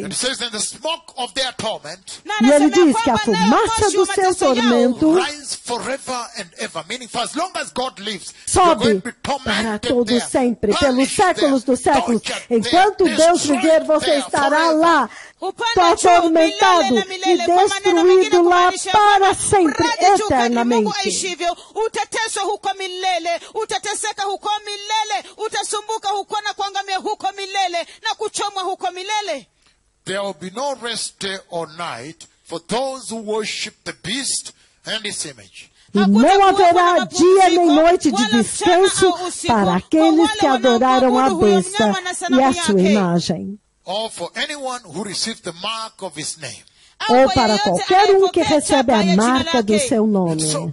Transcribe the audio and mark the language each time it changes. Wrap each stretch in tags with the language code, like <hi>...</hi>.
<en>And says that the smoke of their torment,</en> <pt>e ele diz que a fumaça do seu tormento</pt> <en>forever and ever, meaning for as long as God lives,</en> <pt>sobe para todo sempre, pelos séculos dos séculos. Enquanto Deus viver, você estará lá. Atormentado e destruído lá para sempre, eternamente.</pt> <en>There will be no rest day or night. for those who worship the beast and its image.</en> <pt>E não haverá dia nem noite de descanso para aqueles que adoraram a besta e a sua imagem. Ou para qualquer um que recebe a marca do seu nome.</pt>